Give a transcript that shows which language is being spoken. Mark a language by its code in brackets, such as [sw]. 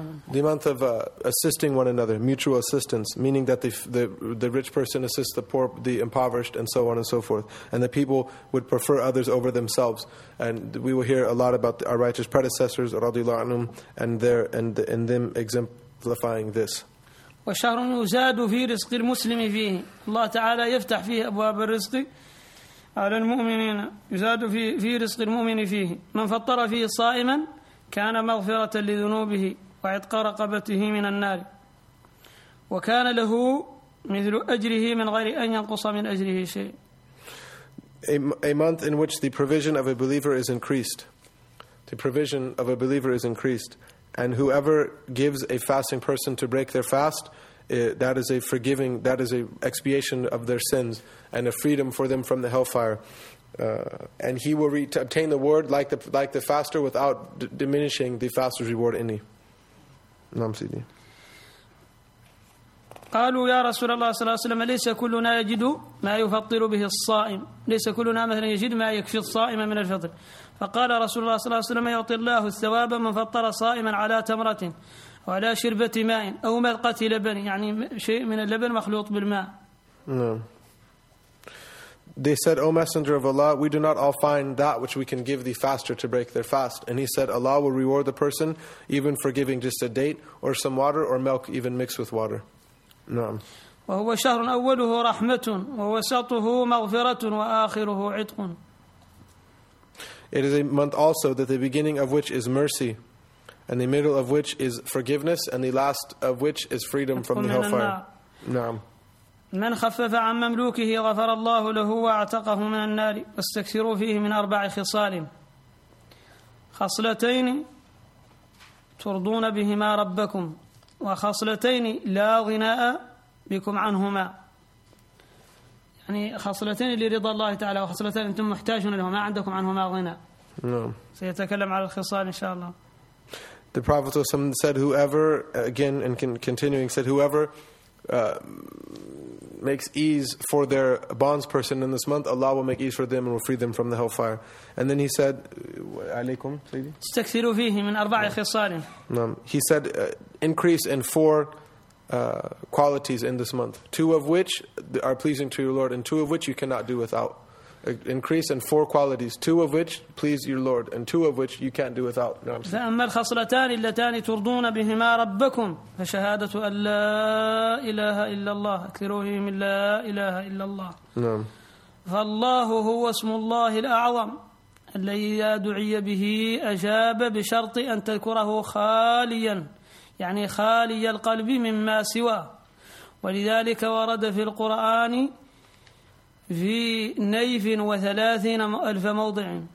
[en] The month of assisting one another, mutual assistance, meaning that the rich person assists the poor, the impoverished, and so on and so forth. And the people would prefer others over themselves. And we will hear a lot about our righteous predecessors, [ar] radiyallahu anhum, [en] and them exemplifying this. [ar] وَشَهْرٌ يُزَادُ فِي رِزْقِ الْمُسْلِمِ فِيهِ اللَّهُ تَعَالَى يَفْتَحْ فِيهِ أَبْوَابَ الرِّزْقِ على المؤمنين يزاد في رزق المؤمن فيه من فطر فيه صائما كان مغفرة لذنوبه وعتق رقبته من النار وكان له مثل أجره من غير أن ينقص من أجره شيء. [en] A month in which the provision of a believer is increased. The provision of a believer is increased. And whoever gives a fasting person to break their fast, that is a forgiving, that is a expiation of their sins and a freedom for them from the hellfire. And he will obtain the reward like the faster without diminishing the faster's reward any. [ar] Nam Sidi. قالوا يا رسول الله صلى الله عليه وسلم ليس كلنا يجد ما يفطر به الصائم ليس كلنا مثلا يجد ما يكفي الصائم من الفطر فقال رسول الله صلى الله عليه وسلم يعطي الله الثواب من فطر صائما على تمرة وعلى شربة ماء أو ملقة لبن يعني شيء من اللبن مخلوط بالماء. [en] No. They said, O Messenger of Allah, we do not all find that which we can give the faster to break their fast. And he said, Allah will reward the person even for giving just a date or some water or milk even mixed with water. [ar] نعم. وهو شهر أوله رحمة ووسطه مغفرة وآخره عتق. [en] It is a month also that the beginning of which is mercy, and the middle of which is forgiveness, and the last of which is freedom from the hellfire. [ar] نعم. من خفف عن مملوكه غفر الله له واعتقه من النار واستكثروا فيه من أربع خصال خصلتين ترضون بهما ربكم وخصلتين لا غناء بكم عنهما يعني خصلتين لرضا الله تعالى وخصلتين أنتم محتاجون لهما ما عندكم عنهما غناء. [en] No. [ar] سيتكلم على الخصال إن شاء الله. [en] The Prophet ﷺ said, whoever, again and continuing, said, whoever makes ease for their bonds person in this month, Allah will make ease for them and will free them from the hellfire. And then he said, [ar] عليكم سيدي استكثروا فيه من أربع خصال. [en] He said, increase in four qualities in this month, two of which are pleasing to your Lord and two of which you cannot do without. Increase in four qualities, two of which please your Lord and two of which you can't do without. [ar] فأما الخصلتان اللتان ترضون بهما ربكم فشهادة أن لا إله إلا الله اكثروهم لا إله إلا الله. نعم. فالله هو اسم الله الأعظم الذي إذا دعي به أجاب بشرط أن تذكره خاليا يعني خالي القلب مما سواه ولذلك ورد في القرآن في نيف وثلاثين ألف موضع.